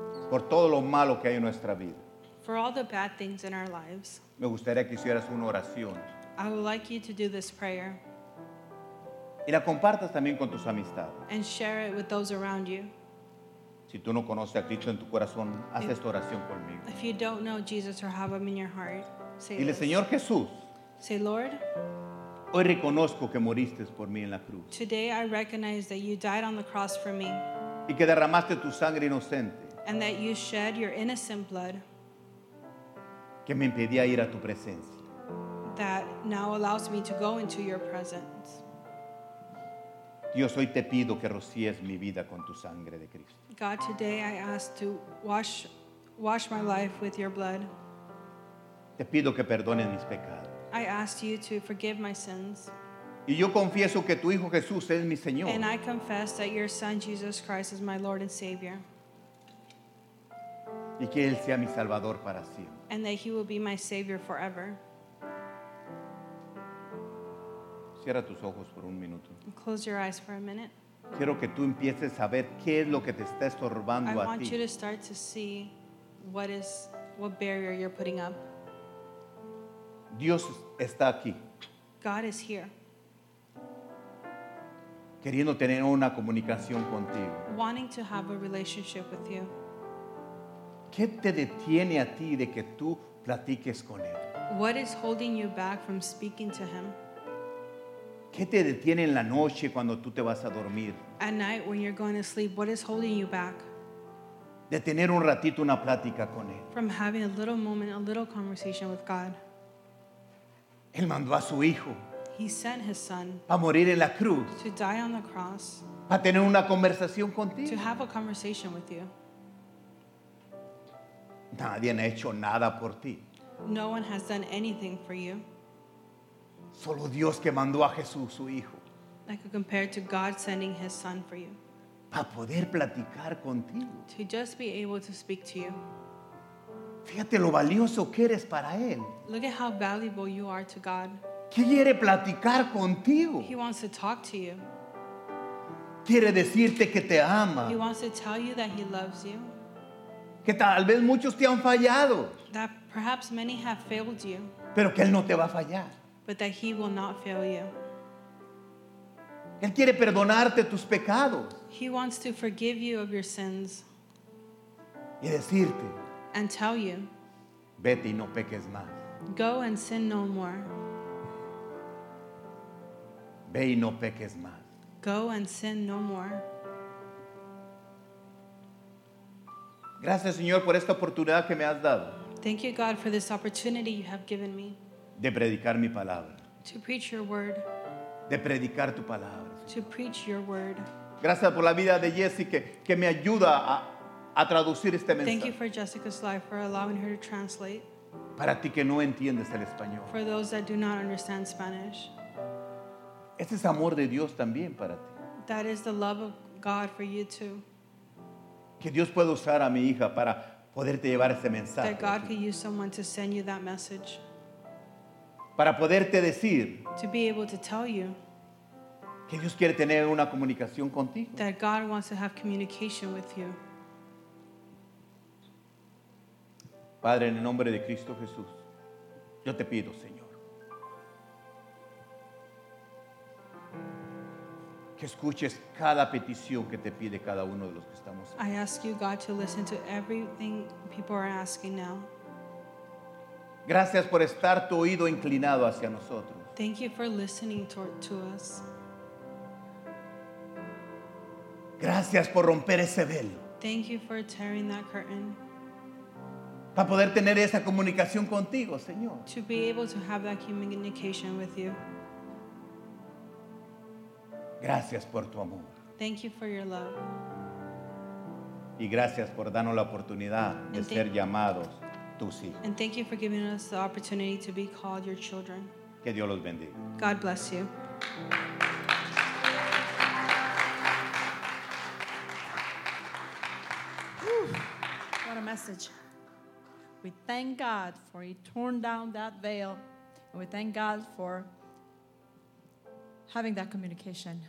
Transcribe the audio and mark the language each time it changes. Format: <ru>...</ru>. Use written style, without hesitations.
<es>Por todo lo malo que hay en nuestra vida.</es> <en>For all the bad things in our lives.</en> <es>Me gustaría que hicieras una oración.</es> <en>I would like you to do this prayer.</en> <es>Y la compartas también con tus amistades.</es> <en>And share it with those around you.</en> <es>Si tú no conoces a Cristo en tu corazón, haz esta oración conmigo.</es> <en>If you don't know Jesus or have him in your heart, say this.</en> <es>Dile, Señor Jesús.</es> <en>Say, Lord,</en> <es>hoy reconozco que moriste por mí en la cruz.</es> <en>Today I recognize that you died on the cross for me.</en> <es>Y que derramaste tu sangre inocente.</es> <en>And that you shed your innocent blood.</en> <es>Que me impedía ir a tu presencia.</es> <en>That now allows me to go into your presence.</en> <es>Dios, hoy te pido que rocíes mi vida con tu sangre de Cristo.</es> <en>God, today I ask to wash my life with your blood.</en> <es>Te pido que perdones mis pecados.</es> <en>I ask you to forgive my sins.</en> <es>Y yo confieso que tu hijo Jesús es mi Señor.</es> <en>And I confess that your son Jesus Christ is my Lord and Savior.</en> <es>Y que él sea mi Salvador para siempre.</es> <en>And that he will be my Savior forever.</en> <es>Cierra tus ojos por un minuto.</es> <en>Close your eyes for a minute.</en> <es>Quiero que tú empieces a ver qué es lo que te está estorbando a ti.</es> <en>I want you to start to see what barrier you're putting up.</en> <es>Dios está aquí.</es> <en>God is here.</en> <es>Queriendo tener una comunicación contigo.</es> <en>Wanting to have a relationship with you.</en> <es>¿Qué te detiene a ti de que tú platiques con él?</es> <en>What is holding you back from speaking to him?</en> <es>¿Qué te detiene en la noche cuando tú te vas a dormir?</es> <en>At night when you're going to sleep, what is holding you back?</en> <es>De tener un ratito una plática con él.</es> <en>From having a little moment, a little conversation with God.</en> <es>Él mandó a su hijo.</es> <en>He sent his son.</en> <es>A morir en la cruz.</es> <en>To die on the cross.</en> <es>A tener una conversación contigo.</es> <en>To have a conversation with you.</en> <es>Nadie ha hecho nada por ti.</es> <en>No one has done anything for you.</en> <es>Solo Dios que mandó a Jesús, su hijo.</es> <en>Like compared to God sending his son for you.</en> <es>Pa poder platicar contigo.</es> <en>To just be able to speak to you.</en> <es>Fíjate lo valioso que eres para él.</es> <en>Look at how valuable you are to God.</en> <es>Quiere platicar contigo.</es> <en>He wants to talk to you.</en> <es>Quiere decirte que te ama.</es> <en>He wants to tell you that he loves you.</en> <es>Que tal vez muchos te han fallado.</es> <en>That perhaps many have failed you.</en> <es>Pero que él no te va a fallar.</es> <en>But that he will not fail you.</en> <es>Él quiere perdonarte tus pecados.</es> <en>He wants to forgive you of your sins.</en> <es>Y decirte.</es> <en>And tell you,</en> <es>vete y no peques más.</es> <en>Go and sin no more.</en> <es>Ve y no peques más.</es> <en>Go and sin no more.</en> <es>Gracias, Señor, por esta oportunidad que me has dado.</es> <en>Thank you, God, for this opportunity you have given me.</en> <es>De predicar mi palabra.</es> <en>To preach your word.</en> <es>De predicar tu palabra.</es> <en>To preach your word.</en> <es>Gracias por la vida de Jessica que me ayuda a traducir este mensaje.</es> <en>Thank you for Jessica's life, for allowing her to translate.</en> <es>Para ti que no entiendes el español.</es> <en>For those that do not understand Spanish.</en> <es>Este es amor de Dios también para ti.</es> <en>That is the love of God for you too.</en> <es>Que Dios pueda usar a mi hija para poderte llevar ese mensaje.</es> <en>That God can use someone to send you that message.</en> <es>Para poderte decir.</es> <en>To be able to tell you.</en> <es>Que Dios quiere tener una comunicación contigo.</es> <en>That God wants to have communication with you.</en> <es>Padre, en el nombre de Cristo Jesús, yo te pido, Señor, que escuches cada petición que te pide cada uno de los que estamos aquí.</es> <en>I ask you, God, to listen to everything people are asking now.</en> <es>Gracias por estar tu oído inclinado hacia nosotros.</es> <en>Thank you for listening to us.</en> <es>Gracias por romper ese velo.</es> <en>Thank you for tearing that curtain.</en> <es>Para poder tener esa comunicación contigo, Señor.</es> <en>To be able to have that communication with you.</en> <es>Gracias por tu amor.</es> <en>Thank you for your love.</en> <es>Y gracias por darnos la oportunidad de ser llamados tus hijos.</es> <en>And thank you for giving us the opportunity to be called your children.</en> <es>Que Dios los bendiga.</es> <en>God bless you. What a message. We thank God for He torn down that veil. And we thank God for having that communication.</en>